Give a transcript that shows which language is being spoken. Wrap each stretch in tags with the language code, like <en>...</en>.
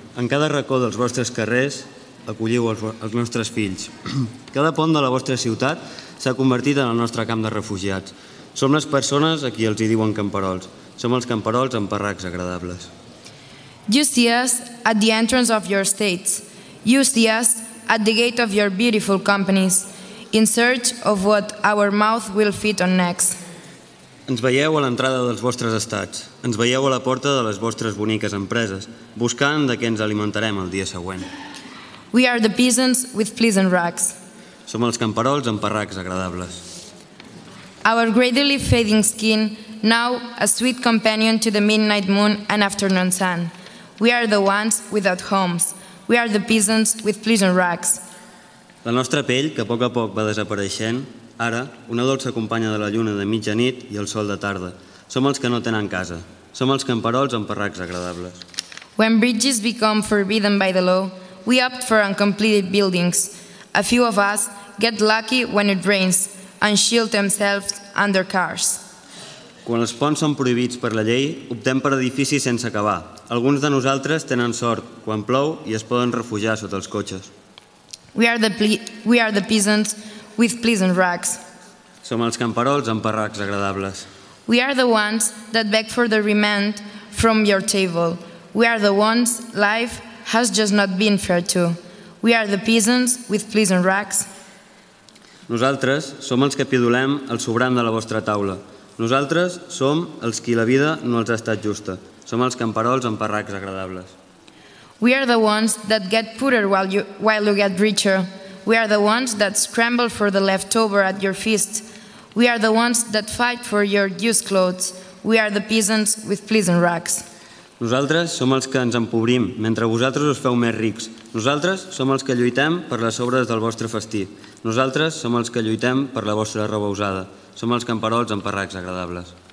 <ca>En cada racó dels vostres carrers acolliu els nostres fills. Cada pont de la vostra ciutat s'ha convertit en el nostre camp de refugiats. Som les persones a qui els hi diuen camperols. Som els camperols amb parracs agradables.</ca> <en>You see us at the entrance of your states. You see us at the gate of your beautiful companies, in search of what our mouth will fit on next.</en> <ca>Ens veieu a l'entrada dels vostres estats. Ens veieu a la porta de les vostres boniques empreses, buscant de què ens alimentarem el dia següent.</ca> <en>We are the peasants with pleasant rags.</en> <ca>Som els camperols amb parracs agradables.</ca> <en>Our gradually fading skin, now a sweet companion to the midnight moon and afternoon sun. We are the ones without homes. We are the peasants with pleasant rags.</en> <ca>La nostra pell, que a poc va desapareixent, ara, una dolça companya de la lluna de mitjanit i el sol de tarda. Som els que no tenen casa. Som els camperols amb parracs agradables.</ca> <en>When bridges become forbidden by the law, we opt for uncompleted buildings. A few of us get lucky when it rains and shield themselves under cars.</en> <ca>Quan els ponts són prohibits per la llei, optem per edificis sense acabar. Alguns de nosaltres tenen sort quan plou i es poden refugiar sota els cotxes.</ca> <en>We are the peasants with pleasant rags.</en> <ca>Som els camperols amb parracs agradables.</ca> <en>We are the ones that beg for the remand from your table. We are the ones life has just not been fair to. We are the peasants with pleasant rags.</en> <ca>Nosaltres som els que pidolem el sobrant de la vostra taula. Nosaltres som els qui la vida no els ha estat justa. Som els camperols amb parracs agradables.</ca> <en>We are the ones that get poorer while you get richer. We are the ones that scramble for the leftover at your feast. We are the ones that fight for your used clothes. We are the peasants with pleasant rags.</en> <ca>Nosaltres som els que ens empobrim mentre vosaltres us feu més rics. Nosaltres som els que lluitem per les sobres del vostre festí. Nosaltres som els que lluitem per la vostra roba usada. Som els camperols amb parracs agradables.</ca>